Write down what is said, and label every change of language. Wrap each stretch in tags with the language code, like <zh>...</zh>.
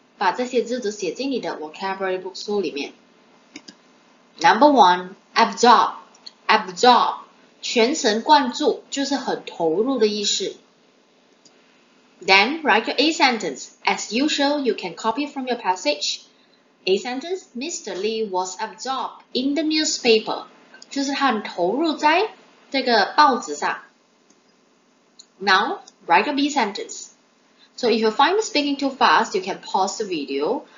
<zh>把这些字都写进你的 vocabulary book 书里面。</zh> <en>Number one, absorb, absorb,</en> <zh>全神贯注就是很投入的意思。</zh> <en>Then write your A sentence. As usual, you can copy from your passage. A sentence, Mr. Lee was absorbed in the newspaper.</en> <zh>就是他很投入在这个报纸上。</zh> <en>Now, write your B sentence. So if you find speaking too fast, you can pause the video.</en>